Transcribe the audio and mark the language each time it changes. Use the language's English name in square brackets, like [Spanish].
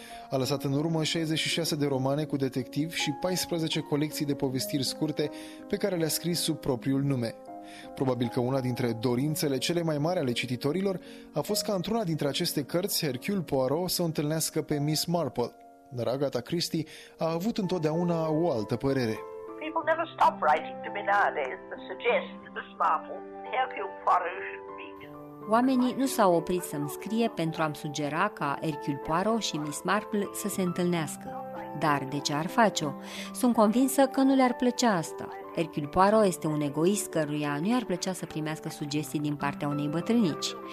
[Romanian] A lăsat în urmă 66 de romane cu detectiv și 14 colecții de povestiri scurte pe care le-a scris sub propriul nume. Probabil că una dintre dorințele cele mai mari ale cititorilor a fost ca într-una dintre aceste cărți Hercule Poirot să întâlnească pe Miss Marple. Dar Agatha Christie a avut întotdeauna o altă părere. [English] People never stop writing to me nowadays to suggest that Miss Marple, Hercule Poirot should meet. [Romanian] Oamenii nu s-au oprit să-mi scrie pentru a-mi sugera ca Hercule Poirot și Miss Marple să se întâlnească. Dar de ce ar face-o? Sunt convinsă că nu le-ar plăcea asta. Hercule Poirot este un egoist căruia nu i-ar plăcea să primească sugestii din partea unei bătrânici.